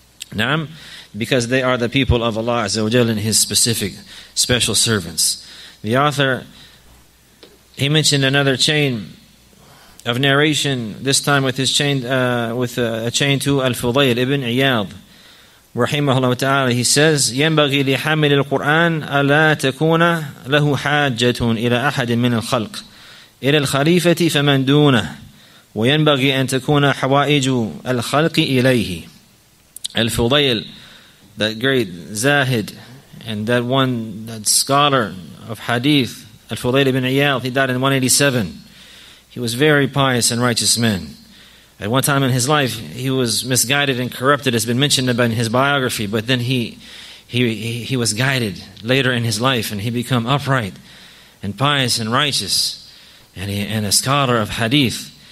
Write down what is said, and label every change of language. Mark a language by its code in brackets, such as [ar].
[en] Naam, because they are the people of Allah Azza wa Jal and His specific special servants. The author, he mentioned another chain of narration, this time with his chain with a chain to Al-Fudayl ibn Iyad. [ar] Rahimahullah ta'ala, [en] he says, [ar] يَنْبَغِي لِحَمِلِ الْقُرْآنَ أَلَا تَكُونَ لَهُ حَاجَّةٌ إِلَىٰ أَحَدٍ مِّنَ الْخَلْقِ إِلَىٰ الْخَلِيفَةِ فَمَنْ دُونَهُ وَيَنْبَغِي أَنْ تَكُونَ حَوَائِجُ الْخَلْقِ إِلَيْهِ. [en] Al-Fudayl, that great Zahid, and that one, that scholar of Hadith, Al-Fudayl ibn Iyad, he died in 187. He was very pious and righteous man. At one time in his life, he was misguided and corrupted, has been mentioned in his biography, but then he was guided later in his life, and he became upright and pious and righteous, and a scholar of Hadith.